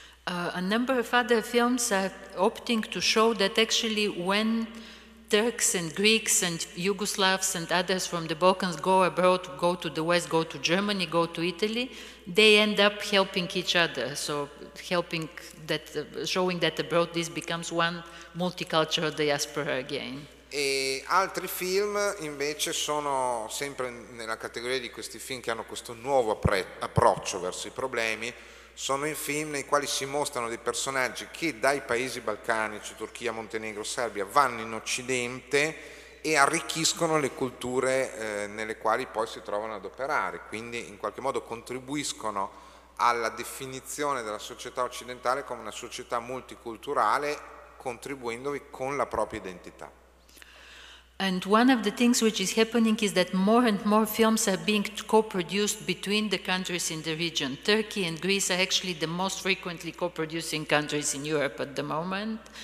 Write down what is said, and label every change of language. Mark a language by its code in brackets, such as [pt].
[en] A number of other films are opting to show that actually when Turks and Greeks and Yugoslavs and others from the Balkans go abroad, go to the West, go to Germany, go to Italy, they end up helping each other. So helping that, showing that abroad this becomes one multicultural diaspora again. [it] E altri film invece sono sempre nella categoria di questi film che hanno questo nuovo approccio verso i problemi. Sono i film nei quali si mostrano dei personaggi che dai paesi balcanici, Turchia, Montenegro, Serbia, vanno in Occidente e arricchiscono le culture nelle quali poi si trovano ad operare, quindi in qualche modo contribuiscono alla definizione della società occidentale come una società multiculturale, contribuendovi con la propria identità. [en] And one of the things which is happening is that more and more films are being co-produced between the countries in the region. Turkey and Greece are actually the most frequently co-producing countries in Europe at the moment.